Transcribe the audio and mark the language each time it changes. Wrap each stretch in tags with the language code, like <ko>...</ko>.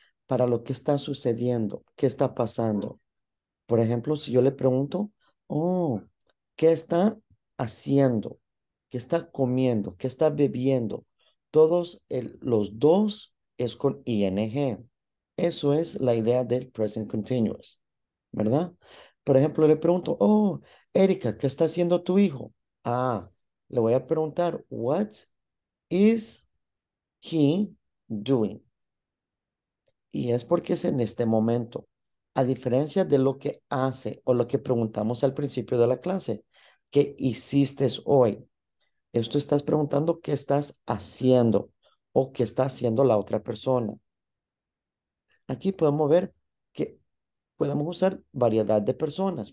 <es>Para lo que está sucediendo, ¿qué está pasando? Por ejemplo, si yo le pregunto, oh, ¿qué está haciendo? ¿Qué está comiendo? ¿Qué está bebiendo? Todos los dos es con ing. Eso es la idea del present continuous, ¿verdad? Por ejemplo, le pregunto, oh, Erika, ¿qué está haciendo tu hijo? Ah, le voy a preguntar,</es> <en>what is he doing?</en> <es>Y es porque es en este momento. A diferencia de lo que hace o lo que preguntamos al principio de la clase, ¿qué hiciste hoy? Esto estás preguntando qué estás haciendo o qué está haciendo la otra persona. Aquí podemos ver que podemos usar variedad de personas.</es>